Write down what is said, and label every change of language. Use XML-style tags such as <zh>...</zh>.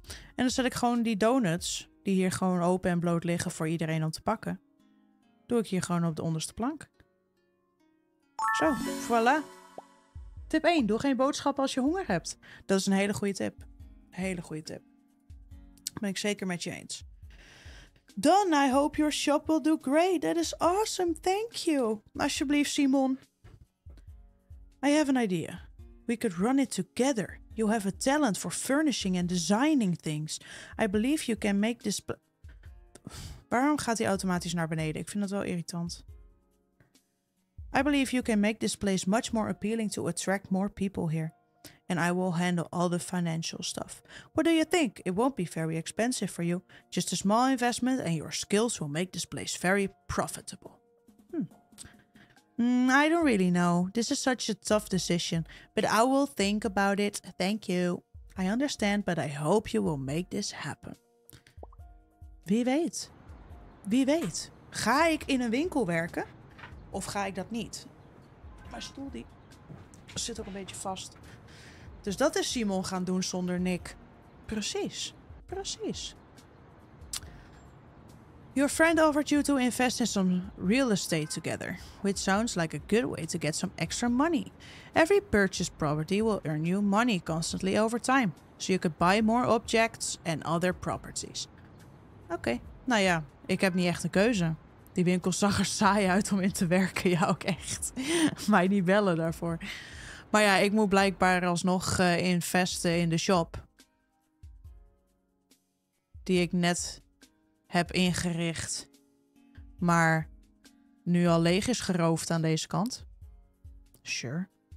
<nl>En dan zet ik gewoon die donuts, die hier gewoon open en bloot liggen voor iedereen om te pakken, doe ik hier gewoon op de onderste plank. Zo, voilà. Tip 1. Doe geen boodschappen als je honger hebt. Dat is een hele goede tip. Hele goede tip. Ben ik zeker met je eens.</nl> <en>Dan, I hope your shop will do great. That is awesome. Thank you.</en> <nl>Alsjeblieft,</nl> <en>Simon. I have an idea. We could run it together. You have a talent for furnishing and designing things. I believe you can make this...</en> <nl>Waarom gaat hij automatisch naar beneden? Ik vind dat wel irritant.</nl> <en>I believe you can make this place much more appealing to attract more people here. And I will handle all the financial stuff. What do you think? It won't be very expensive for you. Just a small investment and your skills will make this place very profitable. I don't really know. This is such a tough decision. But I will think about it. Thank you. I understand, but I hope you will make this happen.</en> <nl>Wie weet? Wie weet? Ga ik in een winkel werken? Of ga ik dat niet? Mijn stoel die zit ook een beetje vast. Dus dat is Simon gaan doen zonder Nick. Precies. Precies.</nl> <en>Your friend offered you to invest in some real estate together. Which sounds like a good way to get some extra money. Every purchased property will earn you money constantly over time. So you could buy more objects and other properties.</en> <nl>Oké. Nou ja, ik heb niet echt een keuze. Die winkel zag er saai uit om in te werken. Ja, ook echt. Mij niet bellen daarvoor. Maar ja, ik moet blijkbaar alsnog investen in de shop. Die ik net heb ingericht. Maar nu al leeg is geroofd aan deze kant. Sure.</nl>